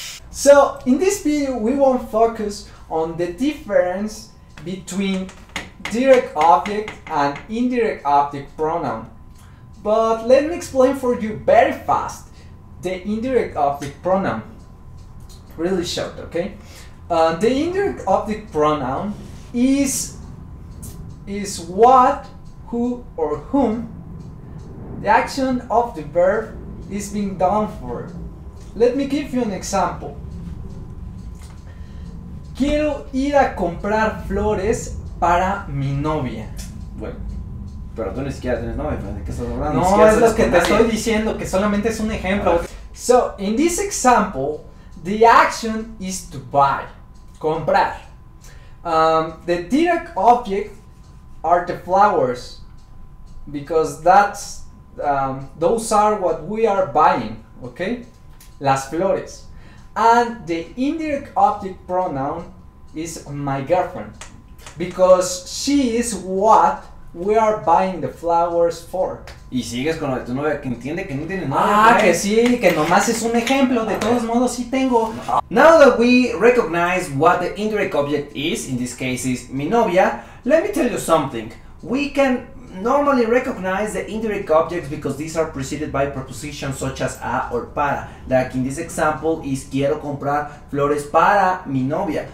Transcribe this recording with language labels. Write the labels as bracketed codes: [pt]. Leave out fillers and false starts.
[en] So in this video we won't focus on the difference between direct object and indirect object pronoun, but let me explain for you very fast the indirect object pronoun, really short, okay? The indirect object pronoun is what, who, or whom the action of the verb is being done for. Let me give you an example. [es] Quiero ir a comprar flores para mi novia. Bueno. Pero tú ni siquiera tienes novia, ¿de qué estás hablando? No, siquiera es lo que te estoy diciendo, que solamente es un ejemplo. [en] So, in this example, the action is to buy, comprar. The direct object are the flowers, because that's those are what we are buying, okay? [es] Las flores. [en] And the indirect object pronoun is my girlfriend, because she is what we are buying the flowers for. [es] Y sigues con lo de tu novia, que entiende que no tiene novia. Ah, que sí, que nomás es un ejemplo, de todos modos sí tengo. [en] Now that we recognize what the indirect object is, in this case is mi novia, let me tell you something. We can normally recognize the indirect objects because these are preceded by prepositions such as a or para. Like in this example is [es] quiero comprar flores para mi novia.